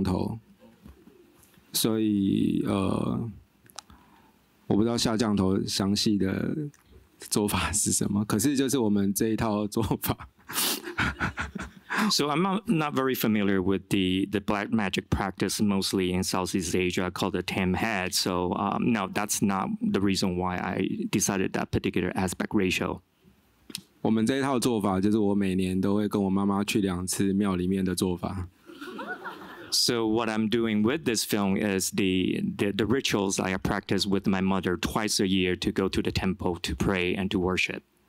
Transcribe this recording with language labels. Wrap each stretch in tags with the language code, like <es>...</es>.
<zh>好，那个我没有去研究泰国的那个下降头，所以。我不知道下降头详细的做法是什么，可是就是我们这一套做法。</zh> <en>So I'm not very familiar with the black magic practice mostly in Southeast Asia called the tame head. So no, that's not the reason why I decided that particular aspect ratio.</en> <zh>我们这一套做法就是我每年都会跟我妈妈去两次庙里面的做法。</zh> <en>So what I'm doing with this film is the rituals I practice with my mother twice a year to go to the temple to pray and to worship.</en>